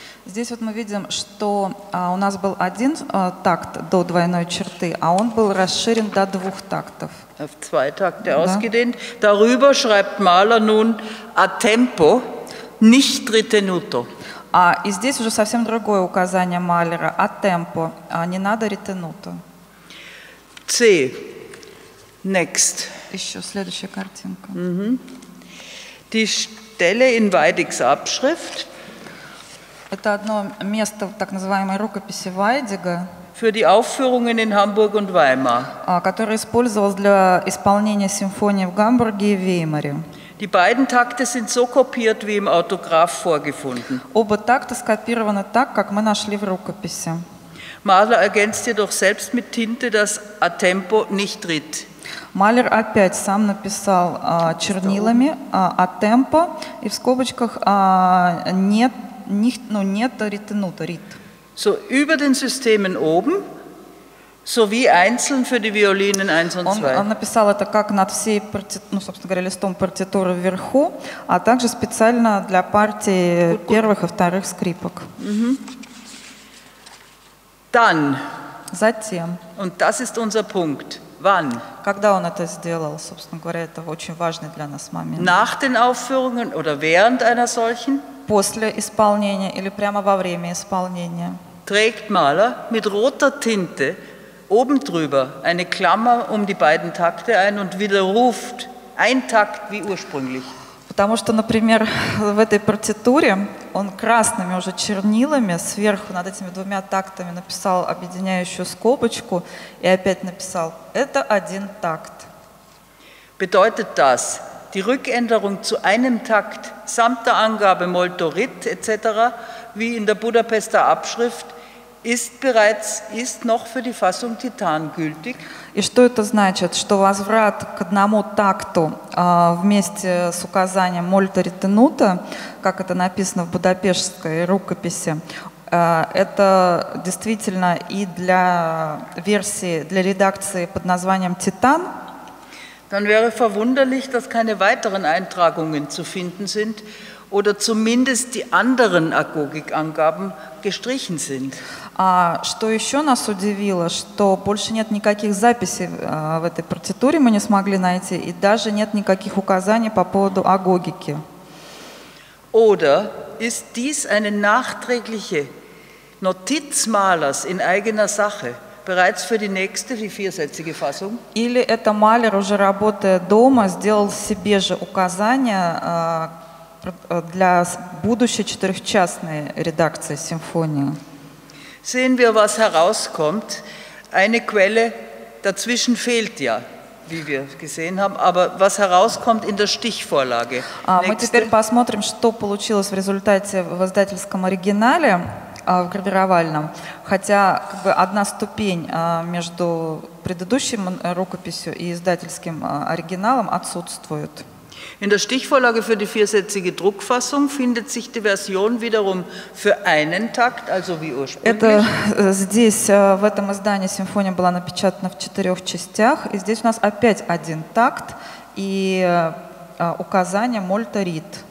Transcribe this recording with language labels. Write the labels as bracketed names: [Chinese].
[Russian] Здесь вот мы видим, что у нас был один такт до двойной черты, а он был расширен до двух тактов. [German] Auf zwei Takte ausgedehnt. Darüber schreibt Mahler nun a tempo, nicht ritenuto. [Russian] И здесь уже совсем другое указание Малера, а темпо, не надо ретенуто. [English] C, next. [Russian] Еще следующая картинка. [German] Die Stelle in Weidigs Abschrift. [Russian] Это одно место так называемой рукописи Вайдига. [German] Für die Aufführungen in Hamburg und Weimar. [Russian] Который использовался для исполнения симфонии в Гамбурге и Веймаре. [German] Die beiden Takte sind so kopiert wie im Autograph vorgefunden. [Russian] Оба такта скопированы так, как мы нашли в рукописи. [German] Mahler ergänzt jedoch selbst mit Tinte das a tempo nicht rit. [Russian] Mahler опять сам написал чернилами a tempo и в скобочках нет ritenuto rit. [German] So über den Systemen oben sowie einzeln für die Violinen 1 und 2. [Russian] Он написал это как над всей собственно говоря, листом партитуры вверху, а также специально для партии первых и вторых скрипок. [German] Dann. [Russian] Затем. [German] Und das ist unser Punkt. Wann? [Russian] Когда он это сделал, собственно говоря, это очень важный для нас момент. [German] Nach den Aufführungen oder während einer solchen? [Russian] После исполнения или прямо во время исполнения. [German] Trägt Mahler mit roter Tinte oben drüber eine Klammer um die beiden Takte ein und widerruft ein Takt wie ursprünglich. [Russian] Потому что, например, в этой партитуре он красными уже чернилами сверху над этими двумя тактами написал объединяющую скобочку и опять написал «это один такт». [German] Bedeutet das, die Rückänderung zu einem Takt samt der Angabe Moltorit etc. wie in der Budapester Abschrift ist noch für die Fassung Titan gültig. [Russian] И что это значит? Что возврат к одному такту вместе с указанием molto ritenuto, как это написано в будапештской рукописи, это действительно и для версии, для редакции под названием Титан. [German] Dann wäre verwunderlich, dass keine weiteren Eintragungen zu finden sind oder zumindest die anderen Agogik-Angaben gestrichen sind. [Russian] Что еще нас удивило, что больше нет никаких записей в этой партитуре, мы не смогли найти, и даже нет никаких указаний по поводу агогики. [German] Oder ist dies eine nachträgliche Notiz Mahlers in eigener Sache, bereits für die nächste, die viersätzige Fassung? [Russian] Или это Малер, уже работая дома, сделал себе же указания для будущей четырехчастной редакции симфонии? [German] Sehen wir, was herauskommt. Eine Quelle dazwischen fehlt ja, wie wir gesehen haben, aber was herauskommt in der Stichvorlage. [Russian] Мы теперь посмотрим, что получилось в результате в издательском оригинале, в гравировальном, хотя как бы одна ступень между предыдущим рукописью и издательским оригиналом отсутствует. [German] In der Stichvorlage für die viersätzige Druckfassung findet sich die Version wiederum für einen Takt, also wie ursprünglich. [Russian] Это здесь в этом издании симфония была напечатана в четырех частях, и здесь у нас опять один такт и указание molto rit.